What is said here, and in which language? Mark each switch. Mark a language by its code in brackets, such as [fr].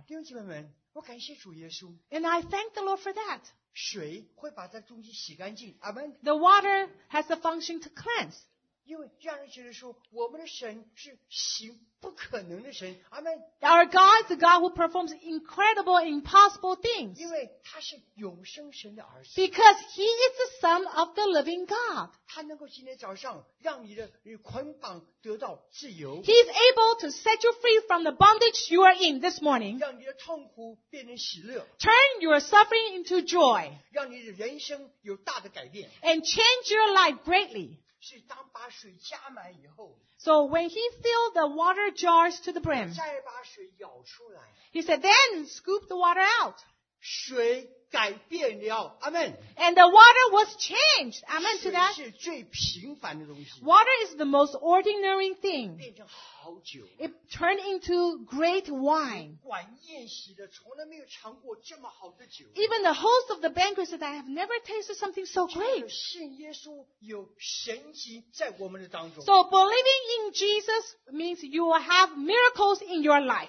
[zh] 弟兄姊妹们，我感谢主耶稣。 [en] And I thank the Lord for that. [zh] 水会把这东西洗干净。Amen. [en] The water has the function to cleanse. [zh] 因为让人觉得说，我们的神是行不可能的神。 [en] Amen. Our God is a God who performs incredible, impossible things. [zh] 因为他是永生神的儿子。 [en] Because he is the Son of the Living God. [zh] 他能够今天早上让你的捆绑得到自由。 [en] He is able to set you free from the bondage you are in this morning. [zh] 让你的痛苦变成喜乐。 [en] Turn your suffering into joy. [zh] 让你的人生有大的改变。 [en] And change your life greatly. [zh] 是当把水加满以后 [en] So when he filled the water jars to the brim, [zh] 再把水舀出来 [en] he said, then scoop the water out. [zh] 水改变了 Amen. [en] And the water was changed. Amen to that. [zh] 水是最平凡的东西 [en] Water is the most ordinary thing. [zh] 变成好酒 [en] It turned into great wine. [zh] 管宴席的从来没有尝过这么好的酒 [en] Even the host of the banquet said, I have never tasted something so great. [zh] 信耶稣有神迹在我们的当中 [en] So believing in Jesus means you will have miracles in your life.